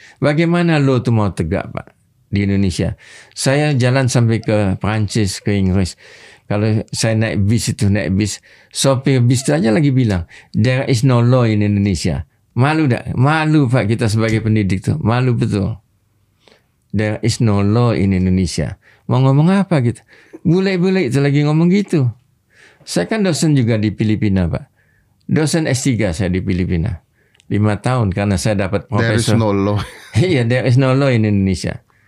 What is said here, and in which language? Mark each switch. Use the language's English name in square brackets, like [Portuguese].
[Indonesian] Bagaimana lo tuh mau tegak Pak di Indonesia? Saya jalan sampai ke Prancis, ke Inggris. Kalau saya naik bis itu, naik bis. Sopir bis itu aja lagi bilang, [English] there is no law in Indonesia. [Indonesian] Malu tak? Malu Pak kita sebagai pendidik tuh. Malu betul. [English] There is no law in Indonesia. [Indonesian] Mau ngomong apa gitu? Bule-bule itu lagi ngomong gitu. Saya kan dosen juga di Filipina Pak. Dosen S3 saya di Filipina. 5 tahun karena saya dapat profesor. [English] There is no law. Iya, there is no law in Indonesia.